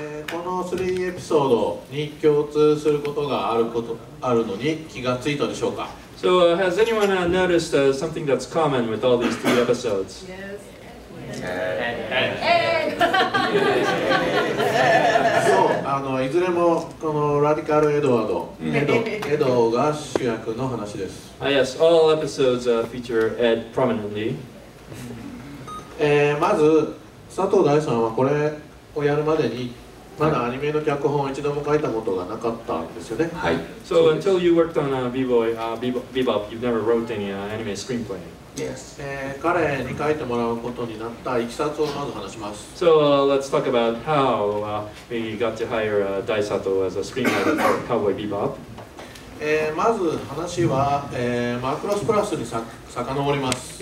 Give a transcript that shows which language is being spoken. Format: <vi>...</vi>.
<ja>この3エピソードに共通することがあるのに気がついたでしょうか?</ja> <en>So, has anyone noticed something that's common with all these three episodes? Yes.</en> <ja>そう、いずれもこのラディカルエドワード、エドが主役の話です。</ja> <en>Yes, all episodes feature Ed prominently.</en> <ja>まず、佐藤大さんはこれをやるまでに、まだアニメの脚本を一度も書いたことがなかったんですよね。はい。</ja> <en>So until you worked on Bebop, you've never wrote any anime screenplay. Yes.</en> <ja>彼に書いてもらうことになったいきさつをまず話します。</ja> <en>So, let's talk about how we got to hire Dai Sato as a screenwriter for Cowboy Bebop.</en> <ja>まず話は、マクロスプラスにさかのぼります。</ja>